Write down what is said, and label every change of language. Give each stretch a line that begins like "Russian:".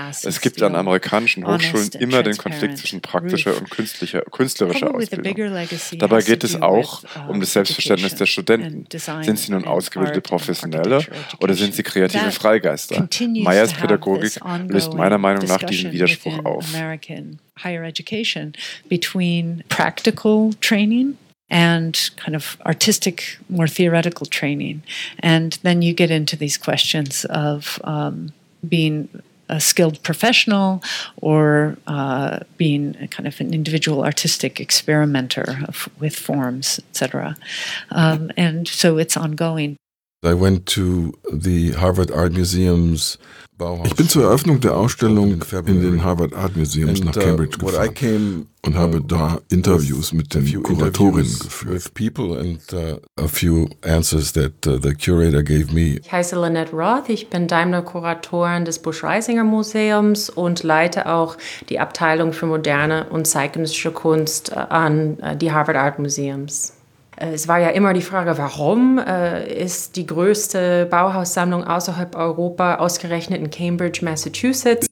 German: Es gibt an amerikanischen Hochschulen immer den Konflikt zwischen praktischer und künstlerischer Ausbildung. Dabei geht es auch um das Selbstverständnis der Studenten. Sind sie nun ausgebildete Professionelle oder sind sie kreative Freigeister? Meyers Pädagogik löst meiner Meinung nach diesen Widerspruch auf.
English: Higher education between practical training and kind of artistic, more theoretical training. And then you get into these questions of being a skilled professional or being a kind of an individual artistic experimenter with forms, etc. And so it's ongoing. I went to the Harvard Art Museum's Bauhaus.
German: Ich bin zur Eröffnung der Ausstellung in den Harvard Art Museums nach Cambridge gefahren und habe da Interviews mit den Kuratorinnen geführt.
English: A few answers that the curator gave me.
German: Ich heiße Lynette Roth, ich bin Daimler-Kuratorin des Busch-Reisinger Museums und leite auch die Abteilung für moderne und zeitgenössische Kunst an die Harvard Art Museums. Es war ja immer die Frage, warum ist die größte Bauhaussammlung außerhalb Europa ausgerechnet in Cambridge, Massachusetts?